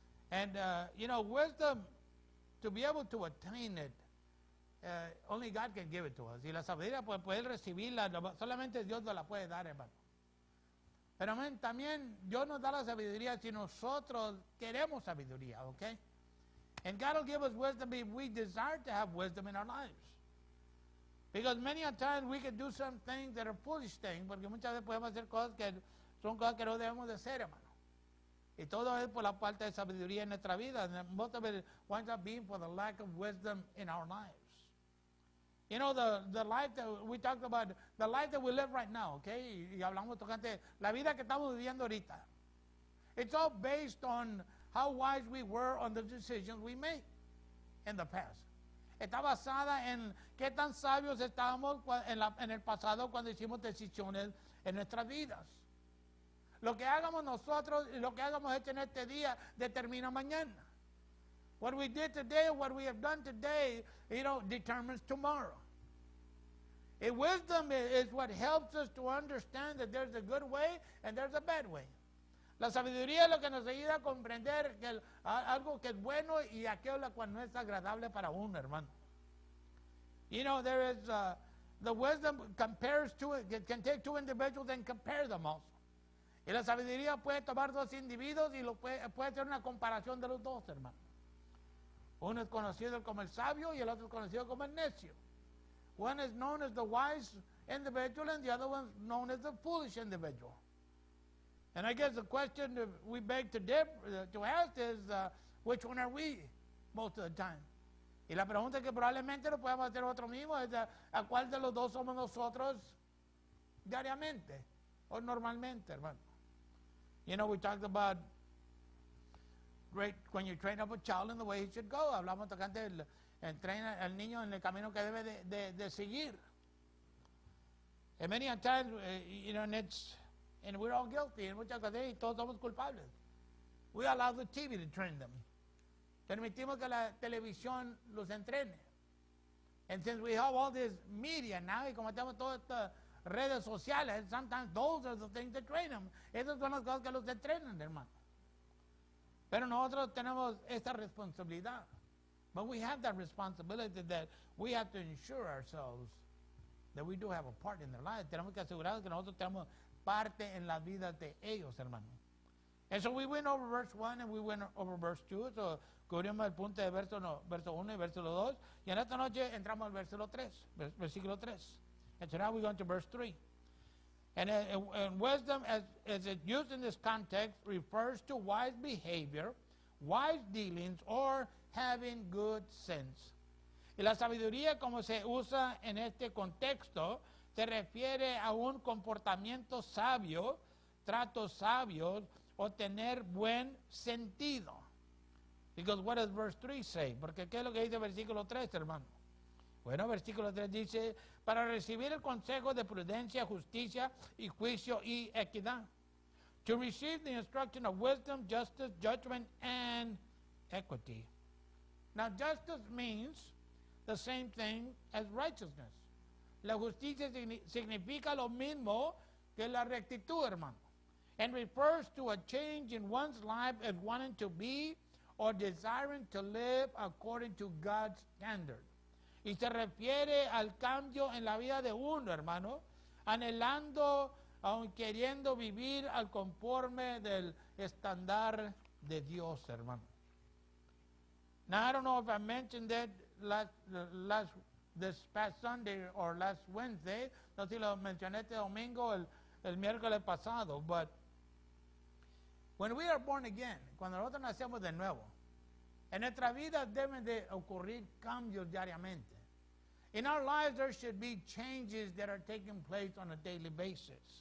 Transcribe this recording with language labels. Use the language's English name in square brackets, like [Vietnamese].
[English] And, you know, wisdom, to be able to attain it, only God can give it to us. [Spanish] Y la sabiduría puede recibirla, solamente Dios nos la puede dar, hermano. Pero man, también Dios nos da la sabiduría si nosotros queremos sabiduría, ¿ok? [English] And God will give us wisdom if we desire to have wisdom in our lives. Because many a time we can do some things that are foolish things, [Spanish] porque muchas veces podemos hacer cosas que son cosas que no debemos de hacer, hermano. Y todo es por la falta de sabiduría en nuestra vida. [English] And most of it winds up being for the lack of wisdom in our lives. You know, the life that we talked about, the life that we live right now, okay? [Spanish] Y hablamos tocante, la vida que estamos viviendo ahorita. [English] It's all based on how wise we were on the decisions we made in the past. [Spanish] Está basada en qué tan sabios estábamos en el pasado cuando hicimos decisiones en nuestras vidas. Lo que hagamos nosotros y lo que hagamos en este día determina mañana. [English] What we did today, what we have done today, you know, determines tomorrow. And wisdom is what helps us to understand that there's a good way and there's a bad way. [Spanish] La sabiduría es lo que nos ayuda a comprender que algo que es bueno y aquello que no es agradable para uno, hermano. [English] You know, there is the wisdom compares to it, it can take two individuals and compare them also. [Spanish] Y la sabiduría puede tomar dos individuos y lo puede hacer una comparación de los dos, hermano. Uno es conocido como el sabio y el otro es conocido como el necio. [English] One is known as the wise individual and the other one is known as the foolish individual. And I guess the question we beg to ask is, which one are we most of the time? [Spanish] Y la pregunta que probablemente lo podemos hacer nosotros mismos es, ¿a cuál de los dos somos nosotros diariamente o normalmente, hermano? [English] You know, we talked about great when you train up a child in the way he should go. [Spanish] Hablamos tocante del entrena al niño en el camino que debe de seguir. [English] And many a times, you know, and it's, and we're all guilty. [Spanish] En muchas ocasiones, y todos somos culpables. [English] We allow the TV to train them. [Spanish] Permitimos que la televisión los entrene. [English] And since we have all this media now, [Spanish] y como tenemos todas estas redes sociales, [English] and sometimes those are the things that train them. [Spanish] Esas son las cosas que los entrenan, hermano. Pero nosotros tenemos esta responsabilidad. [English] But we have that responsibility that we have to ensure ourselves that we do have a part in their lives. [Spanish] Tenemos que asegurar que nosotros tenemos parte en la vida de ellos, hermano. [English] And so we went over verse 1 and we went over verse 2. [Spanish] So cubrimos el punto de verso 1 y verso 2. Y en esta noche entramos al verso 3, versículo 3. [English] And so now we're going to verse 3. And wisdom, as it's used in this context, refers to wise behavior, wise dealings, or having good sense. [Spanish] Y la sabiduría, como se usa en este contexto, se refiere a un comportamiento sabio, tratos sabios, o tener buen sentido. [English] Because what does verse 3 say? [Spanish] Porque ¿qué es lo que dice versículo 3, hermano? Bueno, versículo 3 dice, para recibir el consejo de prudencia, justicia, y juicio y equidad. [English] To receive the instruction of wisdom, justice, judgment, and equity. Now, justice means the same thing as righteousness. [Spanish] La justicia significa lo mismo que la rectitud, hermano. [English] And refers to a change in one's life as wanting to be or desiring to live according to God's standard. [Spanish] Y se refiere al cambio en la vida de uno, hermano, anhelando o queriendo vivir al conforme del estándar de Dios, hermano. [English] Now, I don't know if I mentioned that last Wednesday, [Spanish] no sé si lo mencioné este domingo, el miércoles pasado, but [English] when we are born again, [Spanish] cuando nosotros nacemos de nuevo, en nuestra vida deben de ocurrir cambios diariamente. [English] In our lives, there should be changes that are taking place on a daily basis.